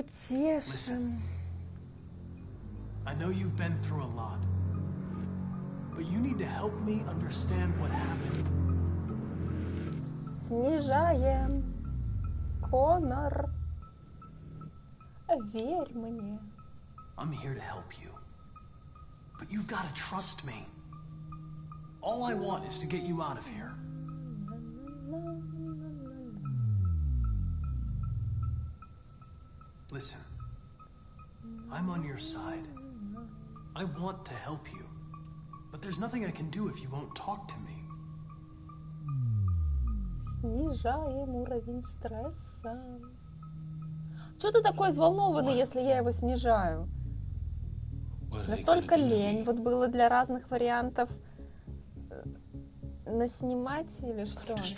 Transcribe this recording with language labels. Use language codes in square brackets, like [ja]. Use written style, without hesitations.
[en] Listen. I know you've been through a lot, but you need to help me understand what happened. [ru] Снижаем, Connor. Верь мне. [en] I'm here to help you. But you've got to trust me. All I want is to get you out of here. Listen. I'm on your side. I want to help you. But there's nothing I can do if you won't talk to me. [ru] Снижаем уровень стресса. Что ты такой взволнованный, what? Если я его снижаю? Настолько лень вот было для разных вариантов наснимать или что?